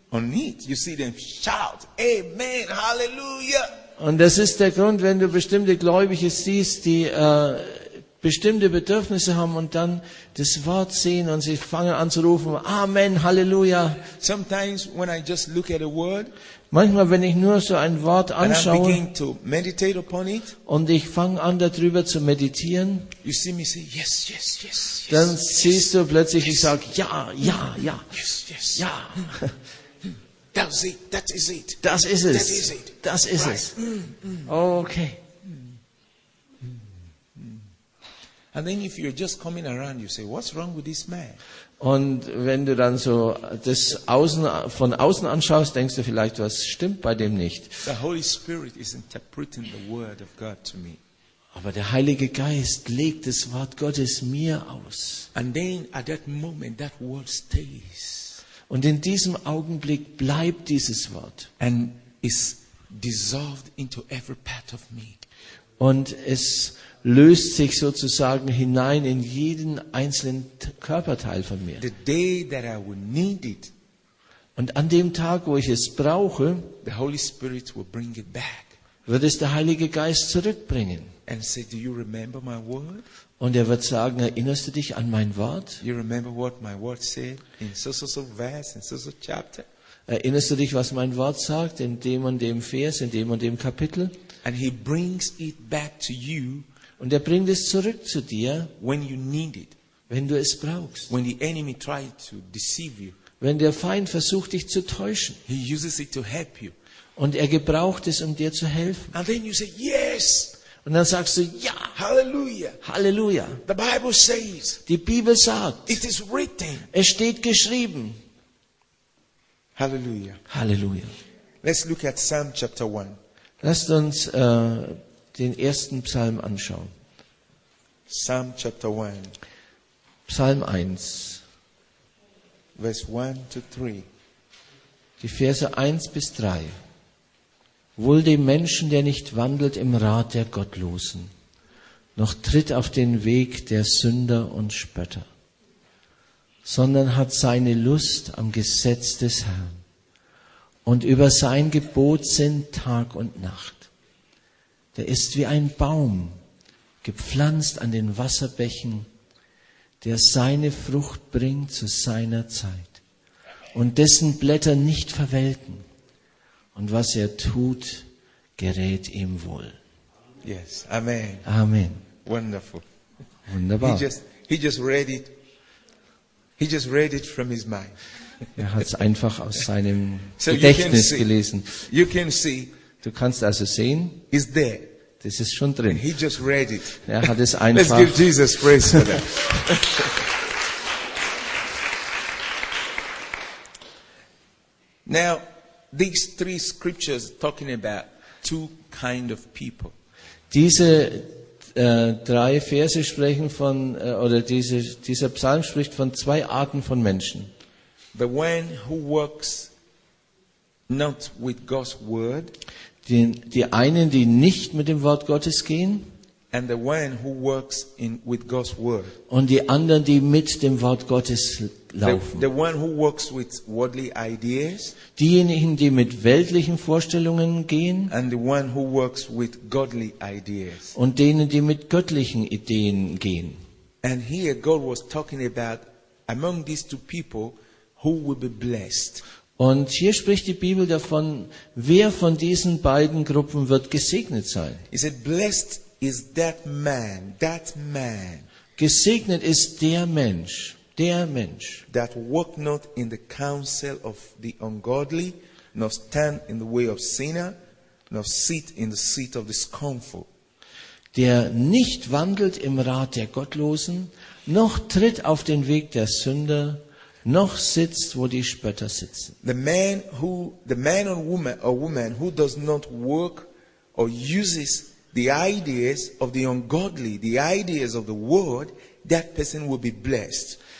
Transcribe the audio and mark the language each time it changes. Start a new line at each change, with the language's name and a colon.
English: on it. You see them shout, Amen, Hallelujah.
German: Und das ist der Grund, wenn du bestimmte Gläubige siehst, die bestimmte Bedürfnisse haben und dann das Wort sehen und sie fangen an zu rufen, Amen, Halleluja.
English: Sometimes when I just look at a word,
German: manchmal, wenn ich nur so ein Wort anschaue
English: and I begin to meditate upon it,
German: und ich fange an, darüber zu meditieren,
English: you see me say, yes, yes, yes,
German: dann
English: yes,
German: siehst du plötzlich, yes, ich sage, ja, ja, ja.
English: Yes, yes.
German: Ja.
English: That's it. That is it.
German: Das ist es.
English: That is it.
German: Das ist es. Okay.
English: And then if you're just coming around, you say, what's wrong with this man?
German: Und wenn du dann so das außen, von außen anschaust, denkst du vielleicht, was stimmt bei dem nicht.
English: The Holy Spirit is interpreting the word of God to me.
German: Aber der Heilige Geist legt das Wort Gottes mir aus.
English: And then at that moment, that word stays.
German: Und in diesem Augenblick bleibt dieses Wort.
English: And is dissolved into every part of me.
German: Und es löst sich sozusagen hinein in jeden einzelnen Körperteil von mir.
English: The day that I will need it,
German: und an dem Tag, wo ich es brauche,
English: the Holy Spirit will bring it back,
German: wird es der Heilige Geist zurückbringen.
English: And say, do you remember my word?
German: Und er wird sagen, erinnerst du dich an mein Wort?
English: You remember what my word said in so-so-so verse, in so-so chapter?
German: Erinnerst du dich, was mein Wort sagt in dem und dem Vers, in dem und dem Kapitel?
English: And he brings it back to you.
German: Und er bringt es zurück zu dir,
English: when you need it,
German: wenn du es brauchst.
English: When the enemy tried to deceive you,
German: wenn der Feind versucht, dich zu täuschen.
English: He uses it to help you.
German: Und er gebraucht es, um dir zu helfen.
English: And then you say, yes!
German: Und dann sagst du, ja!
English: Halleluja!
German: Halleluja!
English: The Bible says,
German: die Bibel sagt,
English: it is written,
German: es steht geschrieben.
English: Halleluja!
German: Halleluja!
English: Let's look at Psalm chapter 1.
German: Lasst uns den ersten Psalm anschauen.
English: Psalm chapter 1.
German: Psalm 1.
English: Verse 1 to 3.
German: Die Verse 1 bis 3. Wohl dem Menschen, der nicht wandelt im Rat der Gottlosen, noch tritt auf den Weg der Sünder und Spötter, sondern hat seine Lust am Gesetz des Herrn, und über sein Gebot sind Tag und Nacht. Der ist wie ein Baum, gepflanzt an den Wasserbächen, der seine Frucht bringt zu seiner Zeit und dessen Blätter nicht verwelken. Und was er tut, gerät ihm wohl.
English: Yes, Amen.
German: Amen.
English: Wonderful.
German: Wunderbar.
English: He just read it from his mind.
German: Er hat es einfach aus seinem Gedächtnis gelesen.
English: You can see.
German: Du kannst also sehen.
English: It's there.
German: Das ist schon drin.
English: He just read it.
German: Er hat es einfach.
English: Let's give Jesus praise for that. Now, these three scriptures talking about two kind of people.
German: Diese drei Verse sprechen von oder dieser Psalm spricht von zwei Arten von Menschen.
English: The one who works not with God's word.
German: Die einen, die nicht mit dem Wort Gottes gehen.
English: And the one who works in with God's word.
German: Und die anderen, die mit dem Wort Gottes laufen.
English: The one who works with worldly ideas.
German: Diejenigen, die mit weltlichen Vorstellungen gehen.
English: And the one who works with godly ideas.
German: Und denen, die mit göttlichen Ideen gehen.
English: And here God was talking about among these two people who will be blessed.
German: Und hier spricht die Bibel davon, wer von diesen beiden Gruppen wird gesegnet sein.
English: Is it blessed? Is that man?
German: Gesegnet ist der Mensch.
English: That walk not in the counsel of the ungodly, nor stand in the way of sinner, nor sit in the seat of the scornful.
German: Der nicht wandelt im Rat der Gottlosen, noch tritt auf den Weg der Sünder, noch sitzt wo die Spötter sitzen.
English: The man or woman who does not work or uses the ideas of the ungodly, the ideas of the world, that person will be blessed.